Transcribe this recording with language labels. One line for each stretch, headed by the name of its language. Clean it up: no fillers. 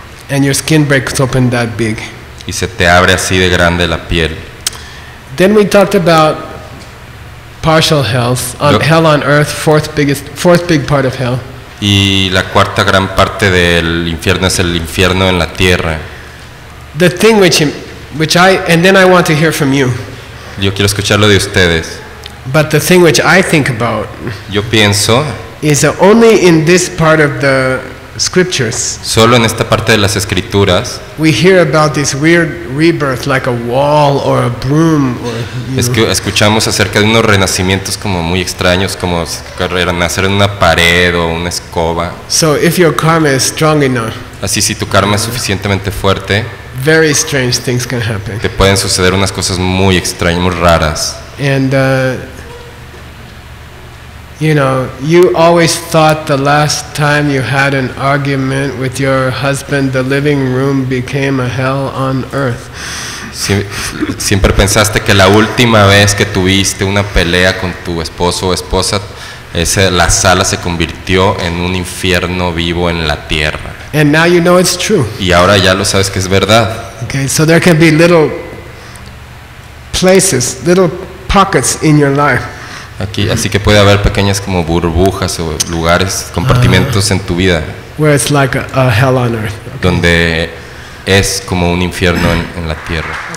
English: And your skin breaks open that big.
Spanish: Y se te abre así de grande la piel.
English: Then we talked about partial hells. Hell on earth, fourth big part of hell.
Spanish: Y la cuarta gran parte del infierno es el infierno en la tierra.
English: The thing which I want to hear from you.
Spanish: Yo quiero escucharlo de ustedes.
English: But the thing which I think about.
Spanish: Yo pienso.
English: Is that only in this part of the scriptures.
Spanish: Solo en esta parte de las escrituras.
English: We hear about this weird rebirth like a wall or a broom or
Spanish: escuchamos acerca de unos renacimientos como muy extraños, como renacer en una pared o una escoba.
English: So if your karma is strong enough.
Spanish: Así si tu karma es suficientemente fuerte.
English: Very strange things can happen.
Spanish: Te pueden suceder unas cosas muy extrañas, muy raras.
English: And you know, you always thought the last time you had an argument with your husband, the living room became a hell on earth.
Spanish: Siempre pensaste que la última vez que tuviste una pelea con tu esposo o esposa, la sala se convirtió en un infierno vivo en la tierra.
English: And now you know it's true.
Spanish: Y ahora ya lo sabes que es verdad.
English: Okay, so there can be little places, little pockets in your life.
Spanish: Aquí, así que puede haber pequeñas como burbujas o lugares, compartimentos en tu vida.
English: Where it's like a hell on earth. Okay.
Spanish: Donde es como un infierno en la tierra.